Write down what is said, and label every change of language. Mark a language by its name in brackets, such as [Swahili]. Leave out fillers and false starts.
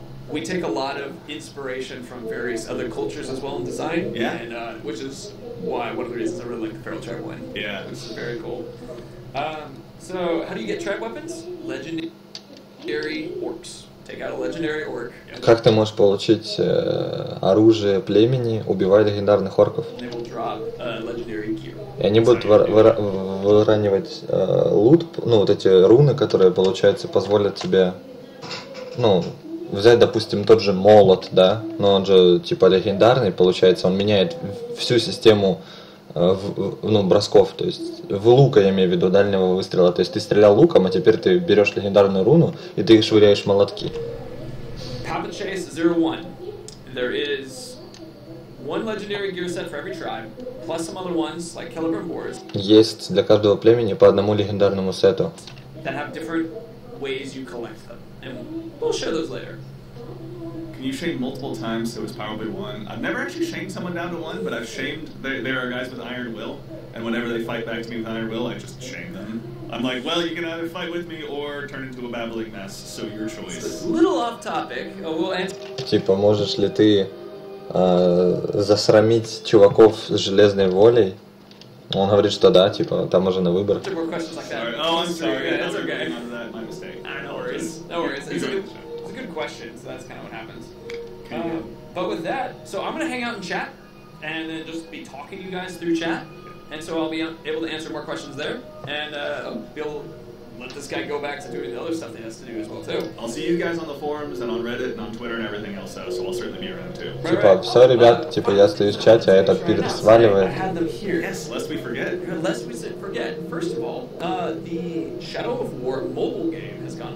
[English] We take a lot of inspiration from various other cultures as well in design, yeah. And which is why one of the reasons I really like the Feral Tribe one. Yeah, which is very cool. So, how do you get tribe weapons? Legendary orcs. Take out a legendary orc. [Russian] Как ты можешь получить оружие племени, убивая легендарных орков? [English] And they will drop legendary gear. [Russian] И они будут выранивать лут, ну вот эти руны, которые получается позволят тебе, ну взять, допустим, тот же молот, да, но он же типа легендарный, получается, он меняет всю систему ну, бросков, то есть в лука, я имею в виду, дальнего выстрела. То есть ты стрелял луком, а теперь ты берешь легендарную руну и ты швыряешь молотки. [English] Papa Chase 01. There is one legendary gear set for every tribe, plus some other ones, like Celebrimbor's. [Russian] Есть для каждого племени по одному легендарному сету. [English] That have different ways you collect them. And we'll share those later. Can you shame multiple times so it's probably one? I've never actually shamed someone down to one, but I've shamed... There are guys with Iron Will, and whenever they fight back to me with Iron Will, I just shame them. I'm like, well, you can either fight with me or turn into a babbling mess, so your choice. It's a little off topic. We'll answer... [Russian] Типа, можешь ли ты засрамить чуваков с железной волей? Он говорит, что да, типа, там уже на выбор. [English] There are more questions like that. Sorry. Oh, I'm sorry. Yeah, that's okay. No worries. It's a good question, so that's kind of what happens. But with that, so I'm going to hang out in chat and then just be talking to you guys through chat. And so I'll be able to answer more questions there. And I'll be able to let this guy go back to doing the other stuff he has to do as well, too. I'll see you guys on the forums and on Reddit and on Twitter and everything else, though, so I'll certainly be around, too. Right. [Russian] Типа, все, ребят, типа, я стою в чате, а этот Питер сваливает. [English] I had them here. Yes, lest we forget. Lest we forget. First of all, the Shadow of War mobile game.